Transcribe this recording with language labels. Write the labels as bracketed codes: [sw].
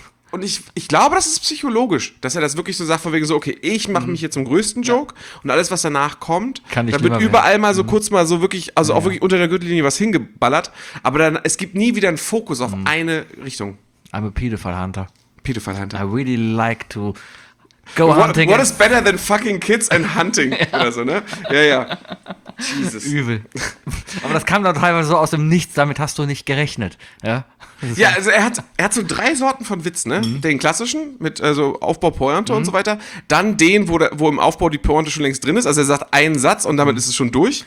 [de] Und ich glaube, das ist psychologisch, dass er das wirklich so sagt, von wegen so, okay, ich mache mich hier zum größten Joke und alles, was danach kommt, da wird überall mal so kurz mal so wirklich, also auch wirklich unter der Gürtellinie was hingeballert, aber dann, es gibt nie wieder einen Fokus auf eine Richtung. [en] I'm a pedophile hunter. Pedophile hunter. I really like to go hunting. What is better than fucking kids and hunting? [de] Oder so, ne? Ja. Jesus. Übel. Aber das kam dann teilweise so aus dem Nichts, damit hast du nicht gerechnet, ja? Ja, also er hat so 3 Sorten von Witz, ne? Den klassischen mit also Aufbau, Pointe und so weiter. Dann den, wo im Aufbau die Pointe schon längst drin ist. Also er sagt einen Satz und damit ist es schon durch.